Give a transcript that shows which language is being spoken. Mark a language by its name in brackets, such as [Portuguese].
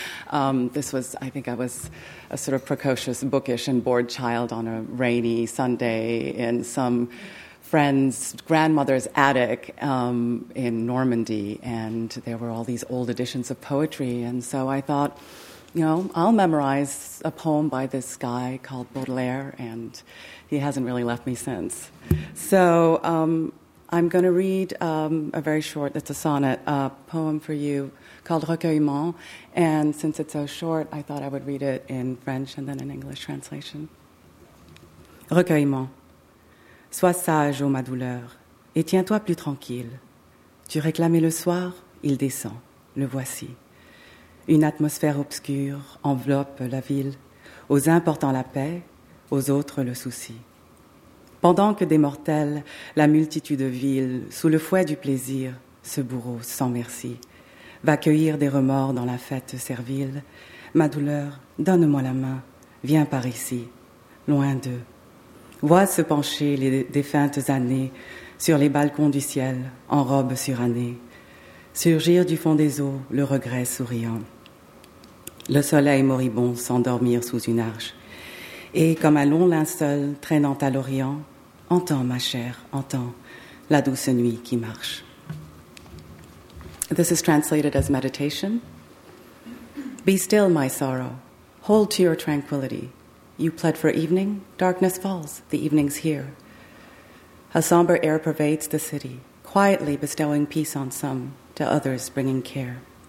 [English] I was a sort of precocious, bookish, and bored child on a rainy Sunday in some friend's grandmother's attic in Normandy, and there were all these old editions of poetry, and so I thought, you know, I'll memorize a poem by this guy called Baudelaire, and he hasn't really left me since. So I'm going to read a very short, it's a sonnet, a poem for you called Recueillement, and since it's so short, I thought I would read it in French and then an English translation. [French] Recueillement. Sois sage, ô ma douleur, et tiens-toi plus tranquille. Tu réclamais le soir, il descend, le voici. Une atmosphère obscure enveloppe la ville, aux uns portant la paix, aux autres le souci. Pendant que des mortels, la multitude vile, sous le fouet du plaisir, ce bourreau sans merci, va cueillir des remords dans la fête servile. Ma douleur, donne-moi la main, viens par ici, loin d'eux. Vois se pencher les défuntes années sur les balcons du ciel en robe surannée, surgir du fond des eaux le regret souriant. Le soleil moribond s'endormir sous une arche, et comme un long linceul traînant à l'Orient, entends, ma chère, entends la douce nuit qui marche. [English] This is translated as meditation. Be still, my sorrow. Hold to your tranquility. You pled for evening, darkness falls, the evening's here. A somber air pervades the city, quietly bestowing peace on some, to others bringing care.